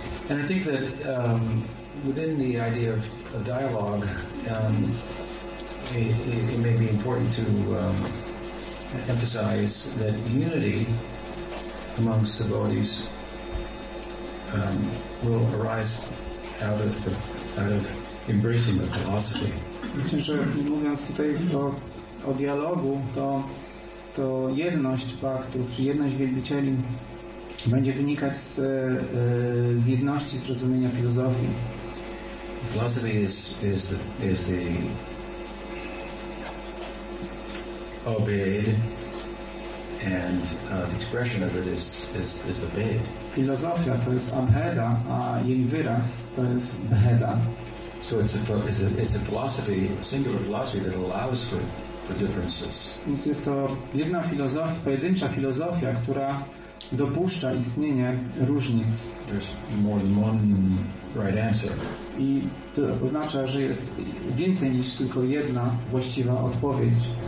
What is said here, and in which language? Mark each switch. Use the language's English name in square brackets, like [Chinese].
[English] And I think that within the idea of a dialogue, it may be important to emphasize that unity amongst the devotees will arise out of embracing the philosophy. [Polish] Myślę, że mówiąc tutaj o dialogu, to jedność paktu, czy jedność wielbicieli będzie wynikać z jedności zrozumienia filozofii. [English] Philosophy is the obeyed and the expression of it is the Ved. [Polish] Filozofia to jest Amheda, a jej wyraz to jest Bheda. [English] So it's a philosophy, a singular philosophy that allows for the differences. [Polish] Więc jest to jedna filozofia, pojedyncza filozofia, która dopuszcza istnienie różnic. [English] There's more than one right answer. [Polish] I to oznacza, że jest więcej niż tylko jedna właściwa odpowiedź.